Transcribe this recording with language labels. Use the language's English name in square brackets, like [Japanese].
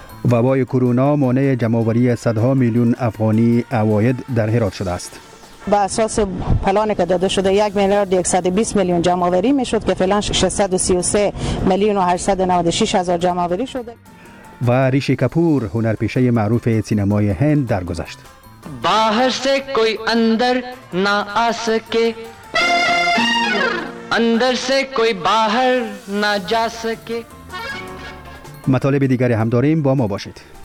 [Persian] وبای کرونا مانع جمع‌آوری صدها میلیون افغانی عواید در هرات شده است. به اساس پلانی که داده شده 1,120,000,000 جمع‌آوری میشد که فعلا 633,896,000 جمع‌آوری شده. و ریشی کپور، هنرپیشه معروف سینمای هند، درگذشت. [Urdu] باہر سے کوئی اندر نہ آ سکے اندر سے کوئی باہر نہ جا سکے. [Persian] مطالب دیگری هم داریم، با ما باشید.